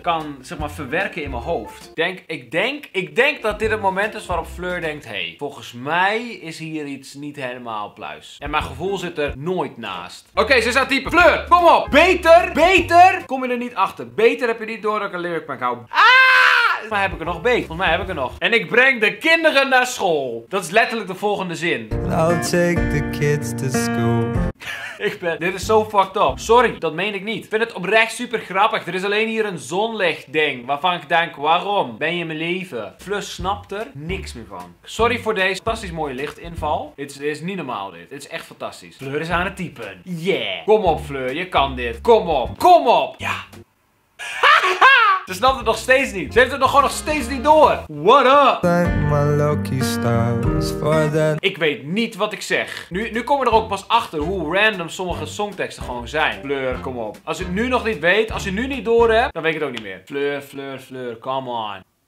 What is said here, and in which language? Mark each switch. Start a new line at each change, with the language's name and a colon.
Dutch: Kan zeg maar verwerken in mijn hoofd. Ik denk dat dit het moment is waarop Fleur denkt, hey, volgens mij is hier iets niet helemaal pluis. En mijn gevoel zit er nooit naast. Oké, ze staat typen. Fleur, kom op. Beter. Kom je er niet achter. Beter heb je niet door dat ik een lyric prank hou. Volgens mij heb ik er nog beet. Volgens mij heb ik er nog. En ik breng de kinderen naar school. Dat is letterlijk de volgende zin.
English: I'll take the kids to school.
Dutch: Dit is zo fucked up. Sorry, dat meen ik niet. Ik vind het oprecht super grappig. Er is alleen hier een zonlicht ding. Waarvan ik denk, waarom ben je mijn leven? Flus snapt er niks meer van. Sorry voor deze fantastisch mooie lichtinval. Dit is niet normaal dit. Dit is echt fantastisch. Fleur is aan het typen. Yeah. Kom op Fleur, je kan dit. Kom op. Ja. Ze snapt het nog steeds niet. Ze heeft het gewoon nog steeds niet door.
English: What up? Thank my lucky stars for that.
Dutch: Ik weet niet wat ik zeg. Nu komen we er ook pas achter hoe random sommige songteksten gewoon zijn. Fleur, kom op. Als je het nu nog niet weet, als je nu niet door hebt, dan weet ik het ook niet meer. Fleur,
English: come on.